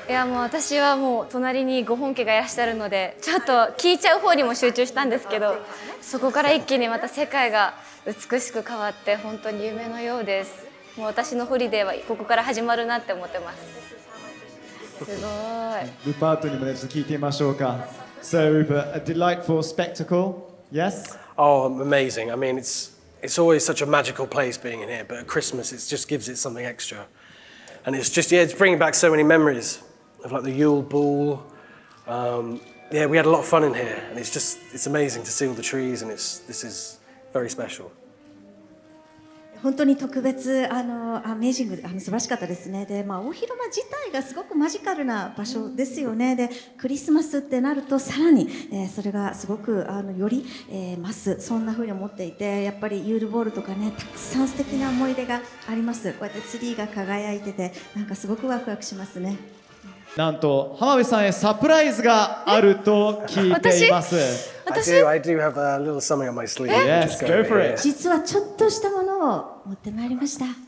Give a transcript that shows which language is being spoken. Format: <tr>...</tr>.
<ja>いや、もう私はもう隣にご本家がいらっしゃるので、ちょっと聞いちゃう方にも集中したんですけど、そこから一気にまた世界が美しく変わって、本当に夢のようです。もう私のホリデーはここから始まるなって思ってます。すごい。ルパートにもちょっと聞いてみましょうか。</ja> <en>So Rupert, a delightful spectacle, yes? Oh, amazing. I mean, it's always such a magical place being in here, but at Christmas it just gives it something extraAnd it's just, yeah, it's bringing back so many memories of like the Yule Ball. Yeah, we had a lot of fun in here. And it's just, it's amazing to see all the trees. And this is very special.</en> <ja>本当に特別、アメージング、素晴らしかったですね。で、まあ、大広間自体がすごくマジカルな場所ですよね。で、クリスマスってなるとさらに、それがすごくより、増す、そんな風に思っていて、やっぱりユールボールとかね、たくさん素敵な思い出があります。こうやってツリーが輝いてて、なんかすごくワクワクしますね。なんと浜辺さんへサプライズがあると聞いています。</ja> <en>I do have a little something on my sleeve. Yes, go for it.</en> <ja>実はちょっとしたものを持ってまいりました。</ja>